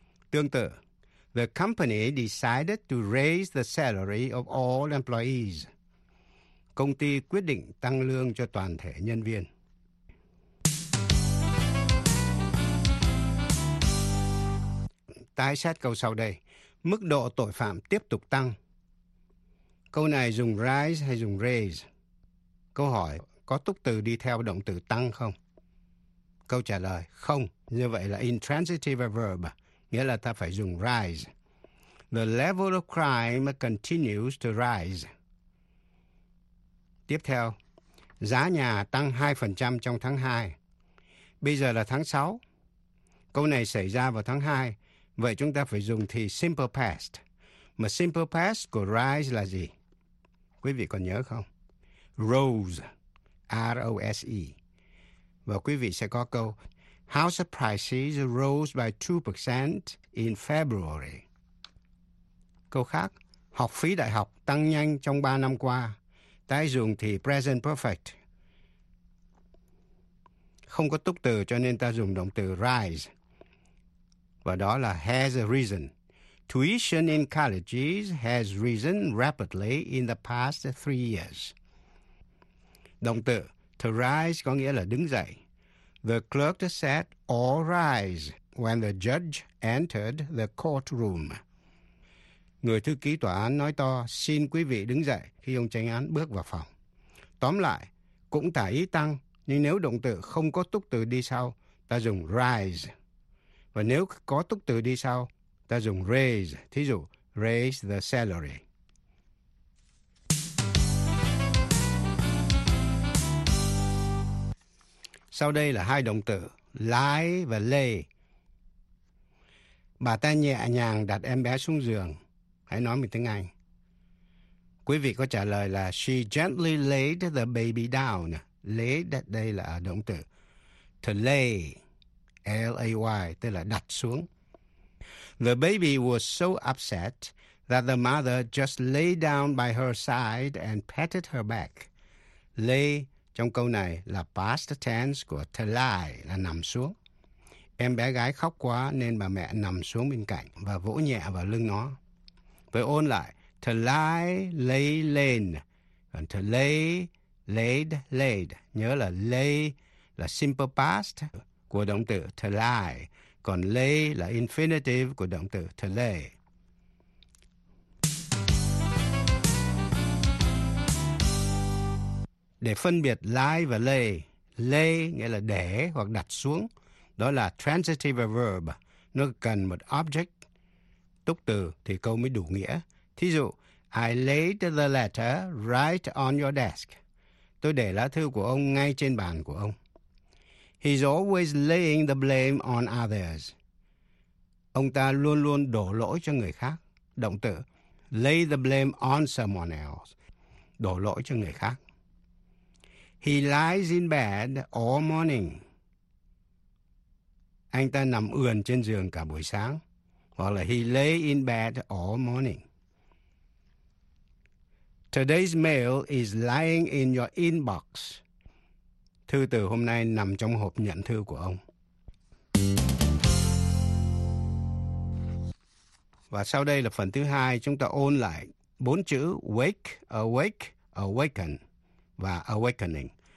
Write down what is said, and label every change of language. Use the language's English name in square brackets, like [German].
[Vietnamese] Tương tự, [English] the company decided to raise the salary of all employees. [Vietnamese] Công ty quyết định tăng lương cho toàn thể nhân viên. Tái xét câu sau đây. Mức độ tội phạm tiếp tục tăng. Câu này dùng rise hay dùng raise? Câu hỏi, có túc từ đi theo động từ tăng không? Câu trả lời, không. Như vậy là intransitive verb, nghĩa là ta phải dùng rise. [English] The level of crime continues to rise. [Vietnamese] Tiếp theo, giá nhà tăng 2% trong tháng 2. Bây giờ là tháng 6. Câu này xảy ra vào tháng 2. Vậy chúng ta phải dùng thì simple past. Mà simple past của rise là gì? Quý vị còn nhớ không? Rose, R-O-S-E. Và quý vị sẽ có câu [English] house prices rose by 2% in February. [Vietnamese] Câu khác, học phí đại học tăng nhanh trong 3 năm qua. Tái dùng thì present perfect. Không có túc từ cho nên ta dùng động từ rise. Và đó là [English] has risen. Tuition in colleges has risen rapidly in the past 3 years. [Vietnamese] Động từ to rise có nghĩa là đứng dậy. [English] The clerk said all rise when the judge entered the courtroom. [Vietnamese] Người thư ký tòa án nói to xin quý vị đứng dậy khi ông chánh án bước vào phòng. Tóm lại, cũng tả ý tăng Nhưng nếu động từ không có túc từ đi sau, ta dùng rise. Và nếu có túc từ đi sau, ta dùng raise. Thí dụ, [English] raise the salary. [Vietnamese] Sau đây là hai động từ, lie và lay. Bà ta nhẹ nhàng đặt em bé xuống giường. Hãy nói mình tiếng Anh. Quý vị có trả lời là [English] she gently laid the baby down. [Vietnamese] Laid, đây là động từ. To lay, L-A-Y, tức là đặt xuống. [English] The baby was so upset that the mother just lay down by her side and patted her back. [Vietnamese] Lay, trong câu này, là past tense của to lie, là nằm xuống. Em bé gái khóc quá nên bà mẹ nằm xuống bên cạnh và vỗ nhẹ vào lưng nó. Với ôn lại, [English] to lie, lay, lain. And to lay, laid, laid. [Vietnamese] Nhớ là lay là simple past của động từ to lie. Còn lay là infinitive của động từ to lay. Để phân biệt lie và lay, lay nghĩa là để hoặc đặt xuống. Đó là transitive verb. Nó cần một object, túc từ thì câu mới đủ nghĩa. Thí dụ, [English] I laid the letter right on your desk. [Vietnamese] Tôi để lá thư của ông ngay trên bàn của ông. [English] He's always laying the blame on others. [Vietnamese] Ông ta luôn luôn đổ lỗi cho người khác. Động từ, [English] lay the blame on someone else. [Vietnamese] Đổ lỗi cho người khác. [English] He lies in bed all morning. [Vietnamese] Anh ta nằm ườn trên giường cả buổi sáng. Hoặc là [English] he lay in bed all morning. Today's mail is lying in your inbox. [Vietnamese] Thư từ hôm nay nằm trong hộp nhận thư của ông. Và sau đây là phần thứ hai, chúng ta ôn lại bốn chữ wake, awake, awaken và awakening.